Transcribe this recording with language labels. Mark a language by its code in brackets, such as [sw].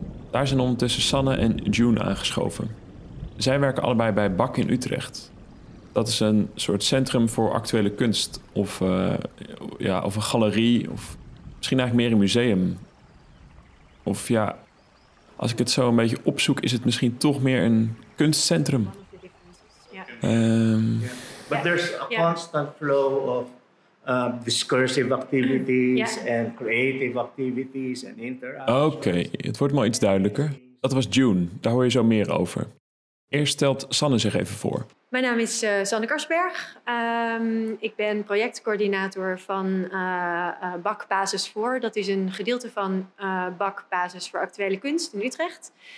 [nl] Daar zijn ondertussen Sanne en June aangeschoven. Zij werken allebei bij BAK in Utrecht. Dat is een soort centrum voor actuele kunst of een galerie of misschien eigenlijk meer een museum. Of ja... Als ik het zo een beetje opzoek, is het misschien toch meer een kunstcentrum. [en] But there's a constant flow of discursive activities and creative activities and interactions. [nl] Oké, het wordt maar iets duidelijker. Dat was June, daar hoor je zo meer over. Eerst stelt Sanne zich even voor. Mijn naam is Sanne Karsberg. Ik ben projectcoördinator van BAK Basis Voor. Dat is een gedeelte van BAK Basis voor Actuele Kunst in Utrecht.